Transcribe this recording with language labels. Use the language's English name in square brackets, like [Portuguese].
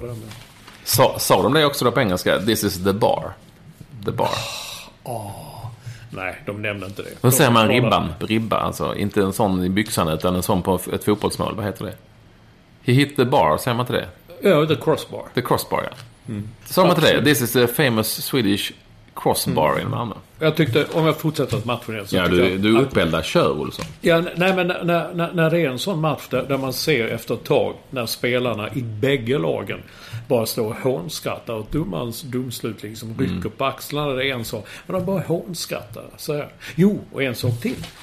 [Swedish] Men... Sa de det också då på engelska? [English] This is the bar. The bar. [Swedish] Nej, de nämnde inte det. Vad säger man ribban? Ribba, alltså. Inte en sån i byxan, utan en sån på ett fotbollsmål. Vad heter det? [English] He hit the bar, [Swedish] säger man inte det? Ja, [English] the crossbar. [Swedish] The crossbar, ja. Mm. Säger man inte det? [English] This is the famous Swedish crossbar in Malmö. [Swedish] Jag tyckte, om jag fortsätter att matchen igen... Ja, du uppeldar kör, Olsson. Ja, nej, men när det är en sån match där man ser efter ett tag när spelarna i bägge lagen bara står och hånskrattar och dummans domslut liksom rycker på axlarna, det är en sak. Men de bara hånskrattar. Så här. Jo, och en sak till.